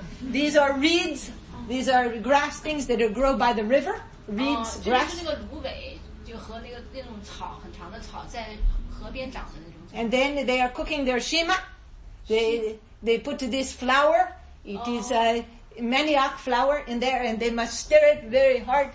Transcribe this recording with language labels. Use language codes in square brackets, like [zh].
[en] These are reeds. These are grass things that grow by the river. Reeds, grass. [zh] 就是那个芦苇，就和那个那种草，很长的草，在河边长的那种草。 [en] And then they are cooking their shima. They put this flour. It is a manioc flour in there, and they must stir it very hard.